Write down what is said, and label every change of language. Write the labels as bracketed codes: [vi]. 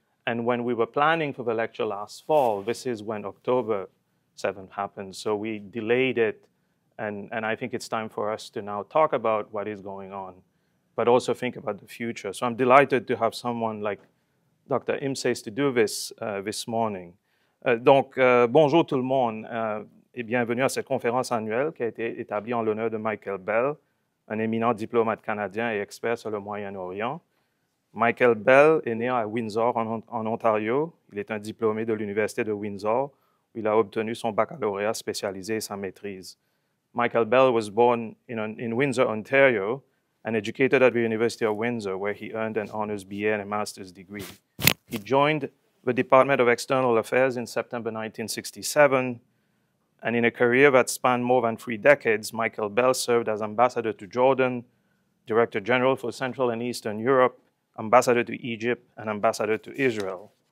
[en] And when we were planning for the lecture last fall, this is when October 7th happened. So we delayed it. And I think it's time for us to now talk about what is going on, but also think about the future. So I'm delighted to have someone like Dr. Imsace to do this this morning. [fr] Bonjour tout le monde. Et bienvenue à cette conférence annuelle qui a été établie en l'honneur de Michael Bell, un éminent diplomate canadien et expert sur le Moyen-Orient. Michael Bell est né à Windsor, en Ontario. Il est un diplômé de l'Université de Windsor. Il a obtenu son baccalauréat spécialisé et sa maîtrise. [en] Michael Bell was born in Windsor, Ontario, and educated at the University of Windsor, where he earned an honors BA and a master's degree. He joined the Department of External Affairs in September 1967, and in a career that spanned more than three decades, Michael Bell served as ambassador to Jordan, director general for Central and Eastern Europe, ambassador to Egypt, and ambassador to Israel.